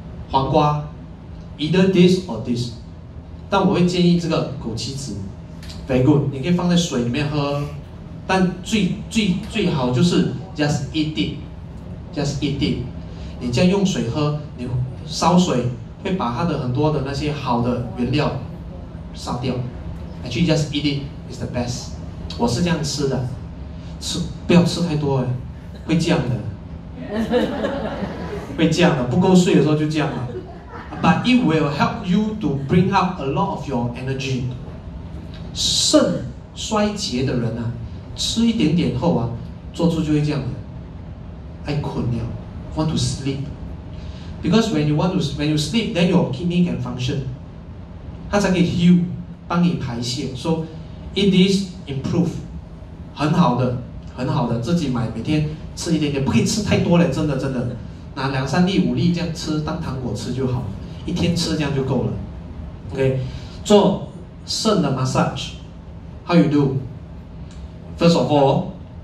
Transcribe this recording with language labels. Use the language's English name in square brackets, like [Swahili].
[Chinese] 黄瓜， [English] either this or this， [Chinese] 但我会建议这个枸杞子， [English] very good， [Chinese] 你可以放在水里面喝，但最好就是 [English] just eat it， [Chinese] 你这样用水喝，你烧水会把它的很多的那些好的原料烧掉。 [English] Actually just eat it is the best， [Chinese] 我是这样吃的，吃不要吃太多哎，会降的，会降的，不够睡的时候就降了。 [English] But it will help you to bring up a lot of your energy。 [Chinese] 肾衰竭的人啊，吃一点点后啊，坐住就会这样的，爱困了 ， [English] want to sleep。 Because when you sleep, then your kidney can function， [Chinese] 它才可以 [English] heal， [Chinese] 帮你排泄。 [English] So it is improve， [Chinese] 很好的，很好的，自己买每天吃一点点，不可以吃太多了，真的真的，拿两三粒五粒这样吃当糖果吃就好，一天吃这样就够了。 [English] OK， [Chinese] 做肾的 [English] massage， how you do？ First of all。